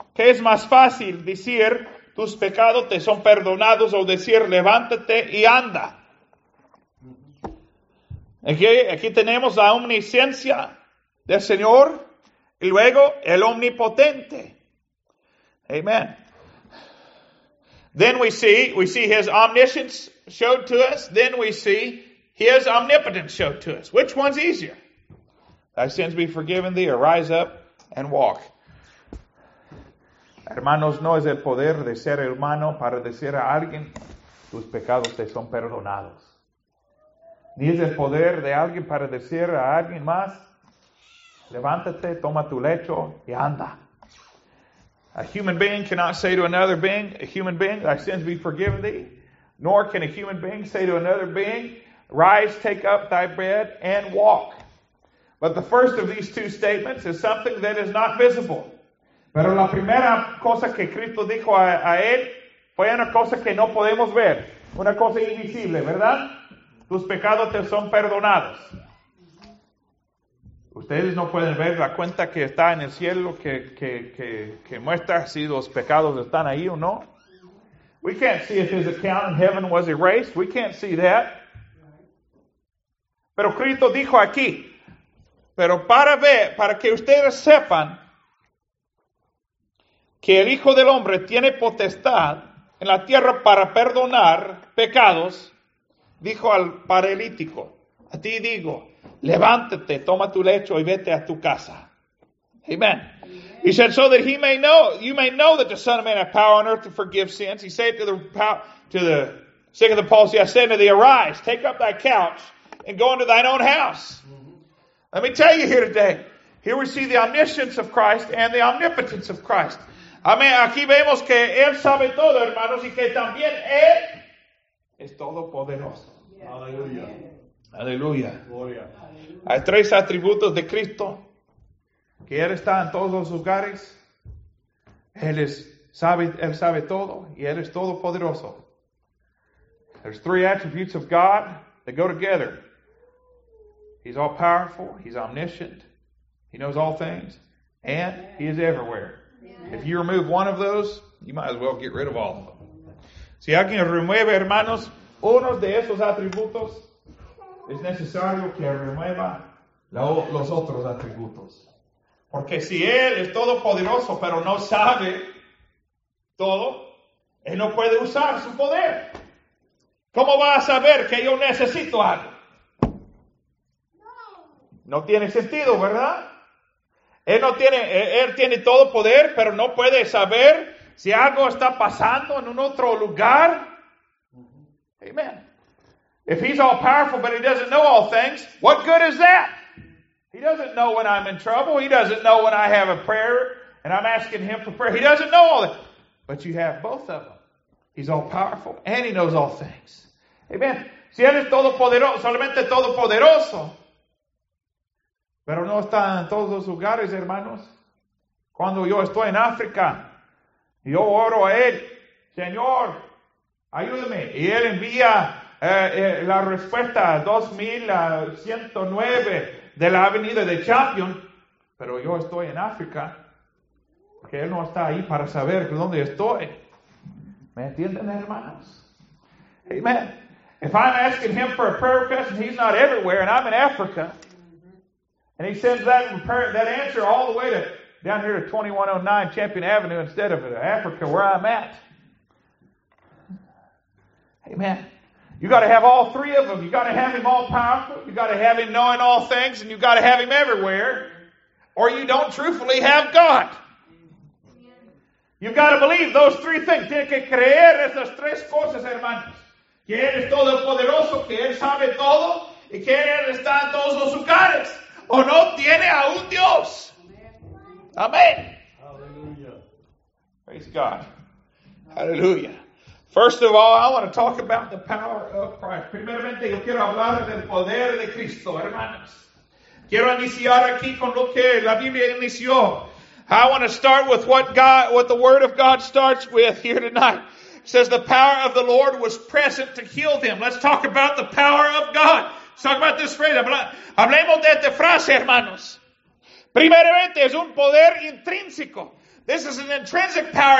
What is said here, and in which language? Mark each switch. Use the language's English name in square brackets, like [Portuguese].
[Spanish] ¿Qué es más fácil, decir, tus pecados te son perdonados, o decir, levántate y anda? Aquí tenemos la omnisciencia del Señor, y luego el omnipotente. Amen. [English] Then we see his omniscience showed to us, then we see his omnipotence showed to us. Which one's easier? Thy sins be forgiven thee, arise up and walk. [Spanish] Hermanos, no es el poder de ser humano para decir a alguien, tus pecados te son perdonados. Ni es el poder de alguien para decir a alguien más, levántate, toma tu lecho y anda. [English] A human being cannot say to another being, a human being, thy sins be forgiven thee. Nor can a human being say to another being, rise, take up thy bed and walk. But the first of these two statements is something that is not visible. [Spanish] Pero la primera cosa que Cristo dijo a él fue una cosa que no podemos ver. Una cosa invisible, ¿verdad? Tus pecados te son perdonados. Ustedes no pueden ver la cuenta que está en el cielo que muestra si los pecados están ahí o no. [English] We can't see if his account in heaven was erased. We can't see that. [Spanish] Pero Cristo dijo aquí, pero para ver, para que ustedes sepan que el Hijo del Hombre tiene potestad en la tierra para perdonar pecados, dijo al paralítico, a ti digo, levántate, toma tu lecho y vete a tu casa. Amen. [English] He said, so that you may know that the Son of Man hath power on earth to forgive sins. He said to the sick of the palsy, I said to thee, arise, take up thy couch and go into thine own house. Let me tell you here today, here we see the omniscience of Christ and the omnipotence of Christ. Amen. [Spanish] Aquí vemos que Él sabe todo, hermanos, y que también Él es todopoderoso. Yeah. Aleluya. Gloria. Hay tres atributos de Cristo, que Él está en todos los lugares. Él sabe todo, y Él es todopoderoso. [English] There's three attributes of God that go together. He's all powerful, he's omniscient, he knows all things, and he is everywhere. Yeah. If you remove one of those, you might as well get rid of all of them. [Spanish] Si alguien remueve, hermanos, uno de esos atributos, es necesario que remueva los otros atributos. Porque si él es todopoderoso, pero no sabe todo, él no puede usar su poder. ¿Cómo va a saber que yo necesito algo? No tiene sentido, ¿verdad? Él tiene todo poder, pero no puede saber si algo está pasando en un otro lugar. Amen. [English] If he's all powerful, but he doesn't know all things, what good is that? He doesn't know when I'm in trouble. He doesn't know when I have a prayer and I'm asking him for prayer. He doesn't know all that. But you have both of them. He's all powerful and he knows all things. [Spanish] Amen. Si eres todo poderoso, solamente todo poderoso. Pero no está en todos los lugares, hermanos. Cuando yo estoy en África, yo oro a él. Señor, ayúdame. Y él envía la respuesta 2109 de la avenida de Champion. Pero yo estoy en África. Porque él no está ahí para saber dónde estoy. ¿Me entienden, hermanos? Amen. [English] If I'm asking him for a prayer request and he's not everywhere and I'm in Africa, and he sends that answer all the way to down here to 2109 Champion Avenue instead of Africa where I'm at. Amen. You got to have all three of them. You got to have him all powerful. You got to have him knowing all things, and you got to have him everywhere, or you don't truthfully have God. You've got to believe those three things. [Spanish] Tienes que creer esas tres cosas, hermanos. Que él es todo poderoso, que él sabe todo, y que él está en todos los lugares. O no tiene a un Dios. Amén. Hallelujah. [English] Praise God. Hallelujah. First of all, I want to talk about the power of Christ. [Spanish] Primeramente, yo quiero hablar del poder de Cristo, hermanos. Quiero iniciar aquí con lo que la Biblia inició. [English] I want to start with what the Word of God starts with here tonight. It says the power of the Lord was present to heal them. Let's talk about the power of God. Let's talk about this phrase. [Spanish] Hablemos de esta frase, hermanos. Primeramente, es un poder intrínseco. [English] This is an intrinsic power.